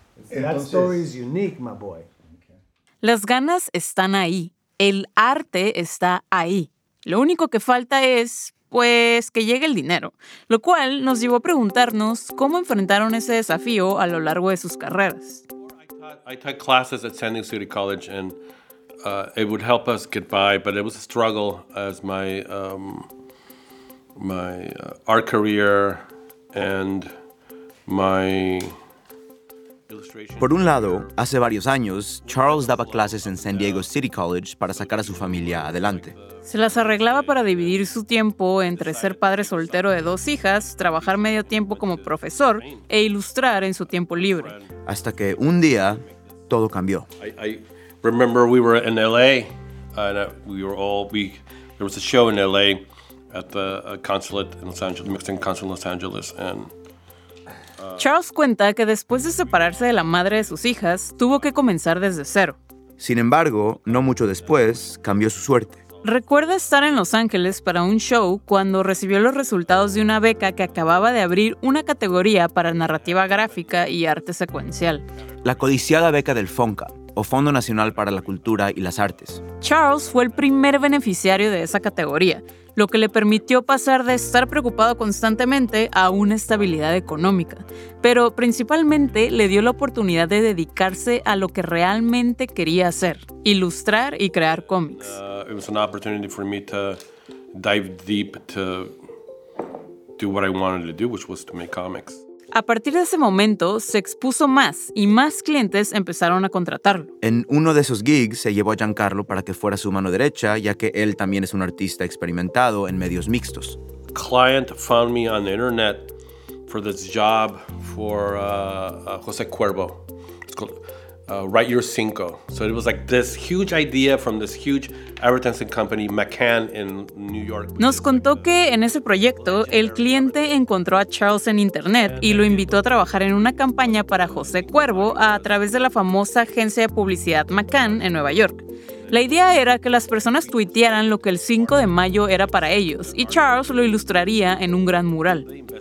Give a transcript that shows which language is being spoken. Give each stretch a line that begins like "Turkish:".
English: That story is unique, my boy.
Spanish: Las ganas están ahí. El arte está ahí. Lo único que falta es, pues, que llegue el dinero. Lo cual nos llevó a preguntarnos cómo enfrentaron ese desafío a lo largo de sus carreras.
English: I taught classes at San Diego City College, and it would help us get by, but it was a struggle as my my art career and my
Spanish: illustration. Por un lado, hace varios años, Charles daba clases en San Diego City College para sacar a su familia adelante. Se las arreglaba para dividir su tiempo entre ser padre soltero de dos hijas, trabajar medio tiempo como profesor e ilustrar en su tiempo libre. Hasta que un día, todo cambió.
English: Remember, we were in L.A. and there was a show in L.A. at the consulate in Los Angeles, Mexican consulate in Los Angeles. And
Spanish: Charles cuenta que después de separarse de la madre de sus hijas, tuvo que comenzar desde cero. Sin embargo, no mucho después, cambió su suerte. Recuerda estar en Los Ángeles para un show cuando recibió los resultados de una beca que acababa de abrir una categoría para narrativa gráfica y arte secuencial. La codiciada beca del FONCA, o Fondo Nacional para la Cultura y las Artes. Charles fue el primer beneficiario de esa categoría, lo que le permitió pasar de estar preocupado constantemente a una estabilidad económica. Pero principalmente le dio la oportunidad de dedicarse a lo que realmente quería hacer, ilustrar y crear cómics.
English: It was an opportunity for me to dive deep to do what I wanted to do, which was to make comics.
Spanish: A partir de ese momento, se expuso más y más clientes empezaron a contratarlo. En uno de esos gigs, se llevó a Giancarlo para que fuera su mano derecha, ya que él también es un artista experimentado en medios mixtos.
English: A client found me on the internet for this job for José Cuervo. It's called Write Your Cinco. So it was like this huge idea from this huge advertising company, McCann, in New York.
Spanish: Nos contó que en ese proyecto, el cliente encontró a Charles en internet y lo invitó a trabajar en una campaña para José Cuervo a través de la famosa agencia de publicidad McCann en Nueva York. La idea era que las personas tuitearan lo que el 5 de mayo era para ellos y Charles lo ilustraría en un gran mural.